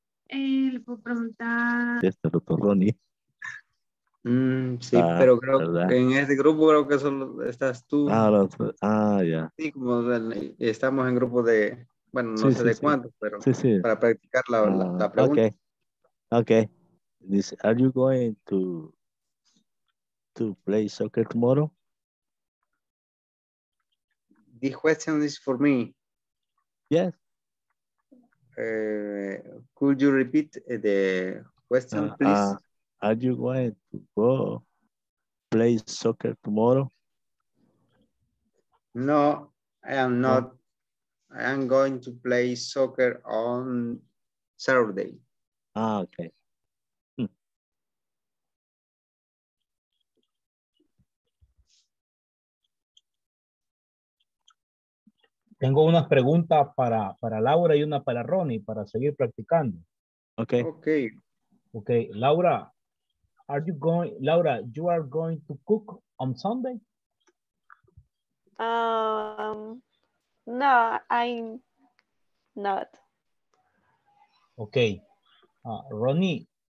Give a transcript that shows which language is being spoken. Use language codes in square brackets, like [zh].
[es] Le puedo preguntar. Este doctor Ronnie. Sí, ah, pero creo, ¿verdad? Que en este grupo creo que solo estás tú. Ah, ya. Sí, como estamos en grupo de Bueno, no sé de cuánto, pero para practicar la pregunta. [en] Okay. This, are you going to play soccer tomorrow? The question is for me. Yes. Could you repeat the question, please? Are you going to go play soccer tomorrow? No, I am not. I am going to play soccer on Saturday. Ah, okay. [es] Tengo unas preguntas para Laura y una para Ronnie para seguir practicando. [en] Okay. Okay. Okay, Laura. Are you going, Laura, you are going to cook on Sunday? No, I'm not. Okay. Ronnie,